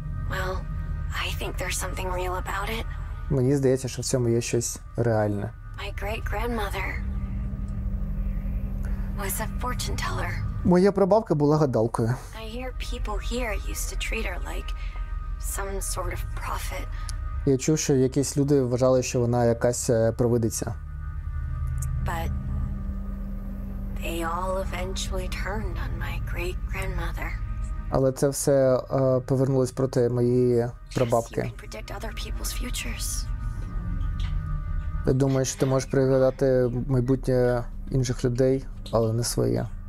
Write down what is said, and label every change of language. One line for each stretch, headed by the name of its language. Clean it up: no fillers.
English: Well, I think there's something real about it.
Ukrainian: Мені здається, що в цьому є щось реальне.
English: My great-grandmother was a fortune teller.
Ukrainian: Моя прабабка була гадалкою.
English: I hear people here used to treat her like some sort of prophet.
Ukrainian: Я чув, що якісь люди вважали, що вона якась провидиця.
English: But they all eventually turned on my great-grandmother.
Ukrainian: Але це все повернулось проти моєї прабабки.
English: You can predict other people's futures.
Ukrainian: Ти думаєш, ти можеш пригадати майбутнє інших людей, але не своє.